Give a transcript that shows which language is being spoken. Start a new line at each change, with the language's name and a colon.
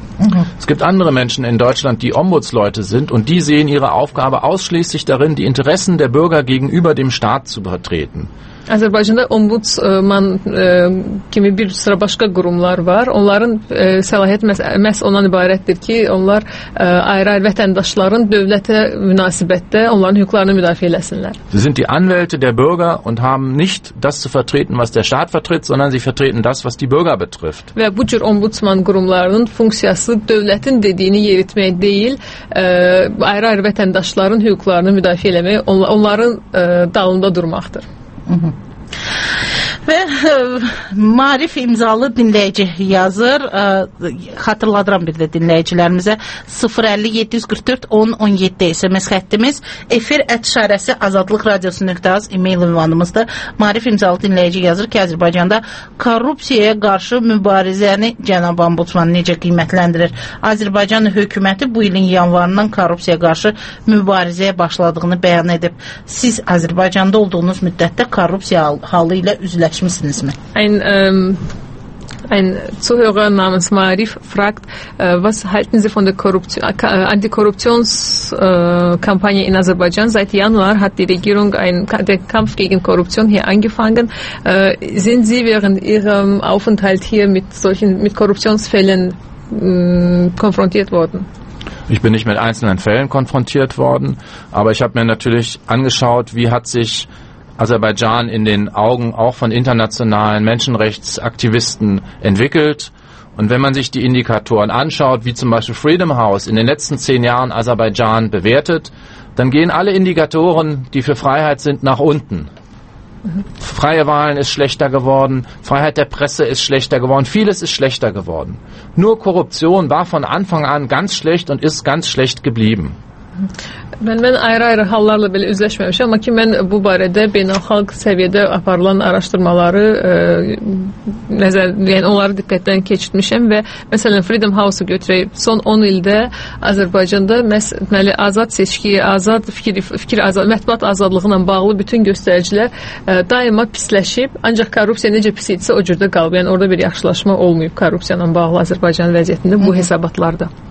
German: Es gibt andere Menschen in Deutschland, die Ombudsleute sind und die sehen ihre Aufgabe ausschließlich darin, die Interessen der Bürger gegenüber dem Staat zu vertreten.
Azerbaijani: Azərbaycanda ombudsman kimi bir sıra başqa qurumlar var. Onların səlahiyyət məhz ondan ibarətdir ki, onlar ayrı-ayrı vətəndaşların dövlətə münasibətdə onların hüquqlarını müdafiə eləsinlər.
German: Sie sind die Anwälte der Bürger und haben nicht das zu vertreten, was der Staat vertritt, sondern sie vertreten das, was die Bürger betrifft.
Azerbaijani: Və bu cür ombudsman qurumlarının funksiyası dövlətin dediyini yeritmək deyil, ayrı-ayrı vətəndaşların hüquqlarını müdafiə eləmək, onların dalında durmaqdır. Və Maarif imzalı dinləyici yazır, xatırladıram bir də dinləyicilərimizə 050-744-10-17 SMS xəttimiz, efir ətişarəsi azadlıqradiosu.az e-mail ünvanımızdır. Maarif imzalı dinləyici yazır ki, Azərbaycanda korrupsiyaya qarşı mübarizəni cənab ombudsman necə qiymətləndirir? Azərbaycan hökuməti bu ilin yanvarından korrupsiyaya qarşı mübarizəyə başladığını bəyan edib. Siz Azərbaycanda olduğunuz müddətdə korrupsiya halı ilə üzləşmişsiniz mi?
German: Ein Zuhörer namens Maarif fragt, was halten Sie von der Antikorruptionskampagne in Aserbaidschan? Seit Januar hat die Regierung den Kampf gegen Korruption hier angefangen. Sind Sie während Ihrem Aufenthalt hier mit Korruptionsfällen konfrontiert worden? Ich bin nicht mit einzelnen Fällen konfrontiert worden, aber ich habe mir natürlich angeschaut, wie hat sich Aserbaidschan in den Augen auch von internationalen Menschenrechtsaktivisten entwickelt. Und wenn man sich die Indikatoren anschaut, wie zum Beispiel Freedom House in den letzten 10 Jahren Aserbaidschan bewertet, dann gehen alle Indikatoren, die für Freiheit sind, nach unten. Freie Wahlen ist schlechter geworden, Freiheit der Presse ist schlechter geworden, vieles ist schlechter geworden. Nur Korruption war von Anfang an ganz schlecht und ist ganz schlecht geblieben.
Azerbaijani: Mən ayrı-ayrı hallarla belə üzləşməmişəm, amma ki, mən bu barədə beynəlxalq səviyyədə aparılan araşdırmaları yəni onları diqqətdən keçirmişəm və məsələn, Freedom House-u götürək, son 10 ildə Azərbaycanda məli azad seçki, azad fikir azad, mətbuat azadlığına bağlı bütün göstəricilər daima pisləşib, ancaq korrupsiya necə pis idisə o cürdə qalıb, yəni orada bir yaxşılaşma olmayıb korrupsiyayla bağlı Azərbaycanın vəziyyətində bu hesabatlarda.